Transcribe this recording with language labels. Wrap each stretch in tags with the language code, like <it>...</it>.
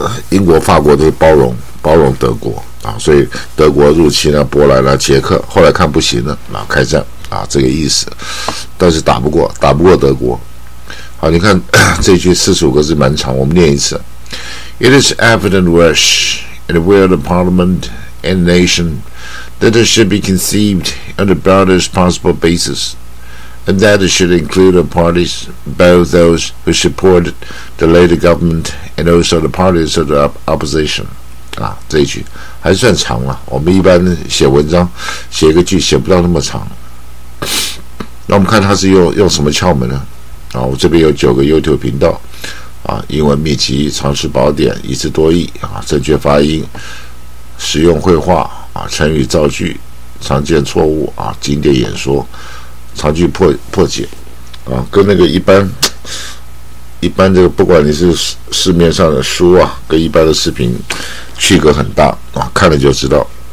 <zh>英国法国都是包容德国啊，所以德国入侵了波兰了捷克，后来看不行了啊，开战啊，这个意思，但是打不过德国。好，你看这句45个字蛮长，我们念一次。</zh> <en>It is evident wish and will the parliament and nation that it should be conceived on the broadest possible basis and that it should include the parties both those who support the later governmentAnd also the parties of the opposition.</en> <zh>啊，这一句还算长了。我们一般写文章，写一个句写不到那么长。那我们看他是用什么窍门呢？啊，我这边有9个 YouTube 频道，啊，英文秘籍、常识宝典、一字多义啊、正确发音、实用绘画啊、成语造句、常见错误啊、经典演说、长句破解啊，跟那个一般这个不管你是市面上的书啊，跟一般的视频区隔很大啊，看了就知道。</zh>